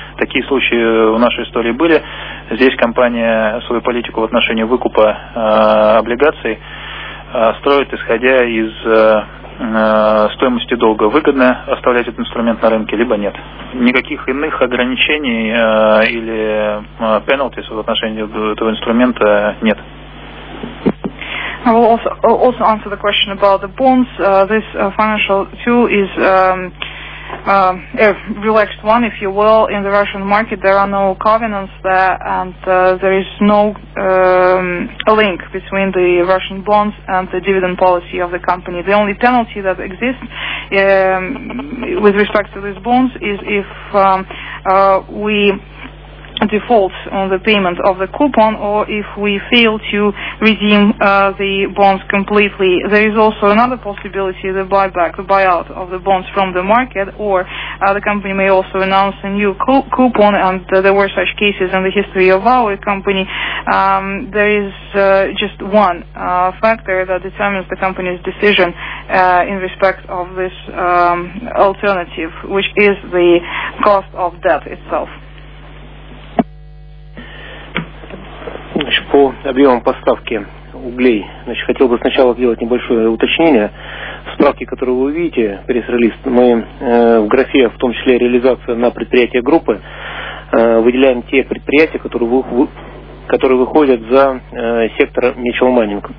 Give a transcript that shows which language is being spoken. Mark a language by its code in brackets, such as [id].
[ru] Такие случаи в нашей истории были. Здесь компания свою политику в отношении выкупа облигаций строит, исходя из стоимости долга. Выгодно оставлять этот инструмент на рынке, либо нет. Никаких иных ограничений или penalties в отношении этого инструмента нет. [en] I will also answer the question about the bonds. This financial tool is a relaxed one, if you will. In the Russian market, there are no covenants there, and there is no link between the Russian bonds and the dividend policy of the company. The only penalty that exists with respect to these bonds is if we default on the payment of the coupon or if we fail to redeem the bonds completely. There is also another possibility, the buyback, the buyout of the bonds from the market, or the company may also announce a new coupon, and there were such cases in the history of our company. There is just one factor that determines the company's decision in respect of this alternative, which is the cost of debt itself. [ru] Значит, по объемам поставки углей, значит, хотел бы сначала сделать небольшое уточнение. В справке, которую вы увидите, пресс-релиз, мы в графе, в том числе реализация на предприятия группы, выделяем те предприятия, которые выходят за сектор Mutual Mining.